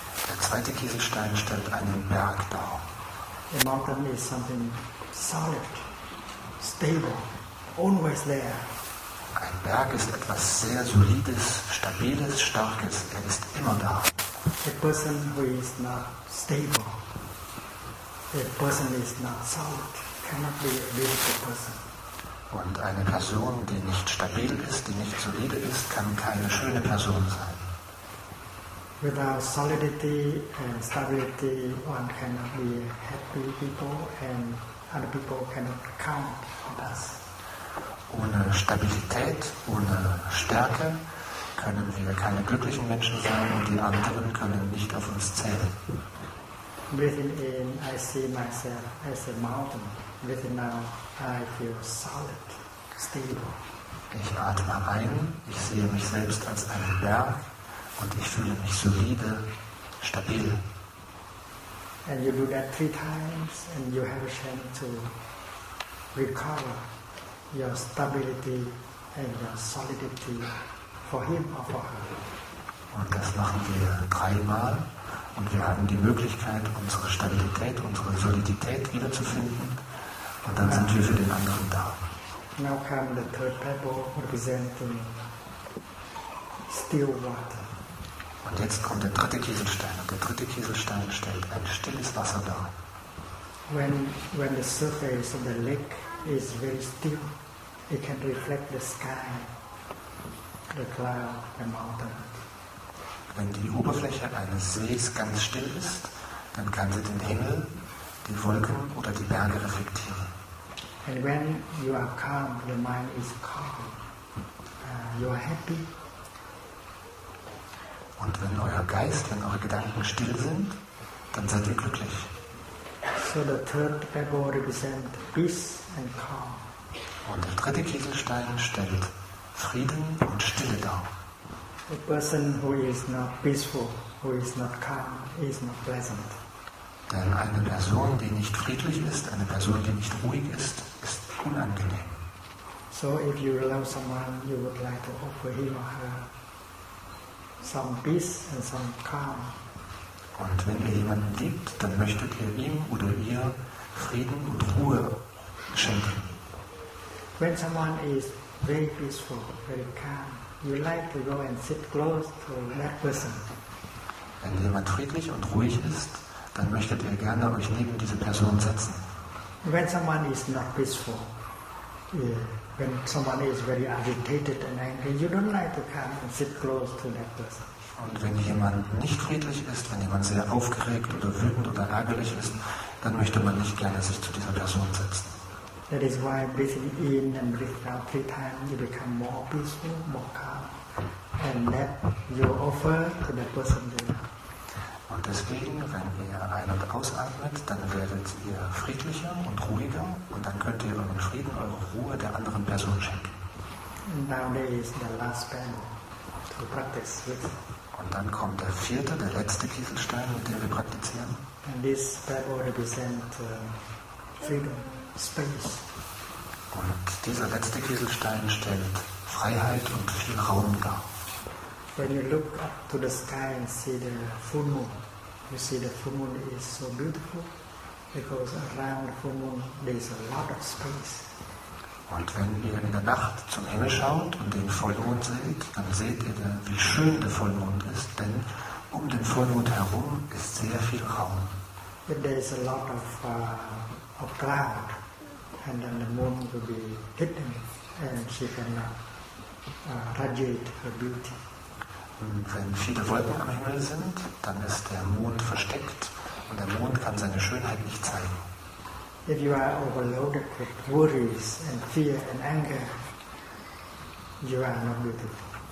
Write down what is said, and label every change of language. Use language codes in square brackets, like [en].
[de] Der zweite Kieselstein stellt einen Berg dar. [en] A mountain is something solid. Stable, always there. [de] Ein Berg ist etwas sehr Solides, Stabiles, Starkes. Er ist immer da. [en] a person who is not stable, a person who is not solid, cannot be a beautiful person. [de] Und eine Person, die nicht stabil ist, die nicht solide ist, kann keine schöne Person sein. [en] Without solidity and stability, one cannot be a happy people, and other people cannot count on us. [de] Ohne Stabilität, ohne Stärke, können wir keine glücklichen Menschen sein und die anderen können nicht auf uns zählen. [en] Breathing in, I see myself as a mountain. Breathing out, I feel solid, stable. [de] Ich atme ein, ich sehe mich selbst als einen Berg und ich fühle mich solide, stabil. [en] And you do that 3 times and you have a chance to recover your stability and your solidity for him or for her. [de] Und das machen wir 3 Mal und wir haben die Möglichkeit, unsere Stabilität, unsere Solidität wiederzufinden und dann sind wir für den anderen da. [en] Now come the 3rd pebble representing still water. [de] Und jetzt kommt der 3rde Kieselstein und der 3rde Kieselstein stellt ein stilles Wasser dar. [en] When the surface of the lake is very still, it can reflect the sky, the cloud, the mountain. [de] Wenn die Oberfläche eines Sees ganz still ist, dann kann sie den Himmel, die Wolken oder die Berge reflektieren. [en] And when you are calm, your mind is calm. You are happy. [de] Und wenn euer Geist, wenn eure Gedanken still sind, dann seid ihr glücklich. [en] So the 3rd pebble represents peace and calm. [de] Und der 3rde Kieselstein stellt Frieden und Stille dar. [en] A person who is not peaceful, who is not calm, is not pleasant. [de] Denn eine Person, die nicht friedlich ist, eine Person, die nicht ruhig ist, ist unangenehm. [en] So if you love someone, you would like to offer him or her some peace and some calm. [de] Und wenn ihr jemanden liebt, dann möchtet ihr ihm oder ihr Frieden und Ruhe schenken. [en] When someone is very peaceful, very calm, you like to go and sit close to that person. [de] Wenn jemand friedlich und ruhig ist, dann möchtet ihr gerne euch neben diese Person setzen. [en] When someone is not peaceful, when someone is very agitated and angry, you don't like to come and sit close to that person. [de] Und wenn jemand nicht friedlich ist, wenn jemand sehr aufgeregt oder wütend oder ärgerlich ist, dann möchte man nicht gerne sich zu dieser Person setzen. [en] That is why breathing in and breathing out 3 times, you become more peaceful, more calm, and that you offer to the person there. [de] Und deswegen, wenn ihr ein- und ausatmet, dann werdet ihr friedlicher und ruhiger und dann könnt ihr euren Frieden, eure Ruhe der anderen Person schenken. [en] And now there is the last panel to practice with. [de] Und dann kommt der 4., der 3rde Kieselstein, mit dem wir praktizieren. [en] And this pebble represents freedom, space. [de] Und dieser 3rde Kieselstein stellt Freiheit und viel Raum dar. [en] When you look up to the sky and see the full moon, you see the full moon is so beautiful, because around the full moon there is a lot of space. [de] Und wenn ihr in der Nacht zum Himmel schaut und den Vollmond seht, dann seht ihr, wie schön der Vollmond ist, denn um den Vollmond herum ist sehr viel Raum. [en] There is a lot of cloud, and then the moon will be hidden, and she cannot radiate her beauty. [de] Und wenn viele Wolken am Himmel sind, dann ist der Mond versteckt und der Mond kann seine Schönheit nicht zeigen. [en] If you are overloaded with worries and fear and anger, you are not beautiful.